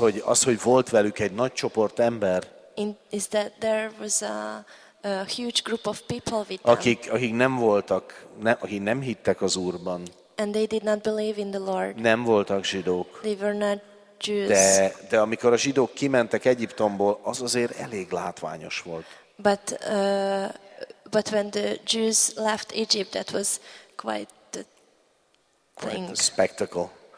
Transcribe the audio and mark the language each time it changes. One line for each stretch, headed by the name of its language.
Hungarian: Az, hogy volt velük egy nagy csoport ember.
English: Is that there was a huge group of people with them.
Hungarian: Akik nem hittek az Úrban.
English: And they did not believe in the Lord.
Hungarian: Nem voltak zsidók.
English: They were not Jews.
Hungarian: De amikor a zsidók kimentek Egyiptomból, az azért elég látványos volt.
English: But when the Jews left Egypt, that was quite a spectacle.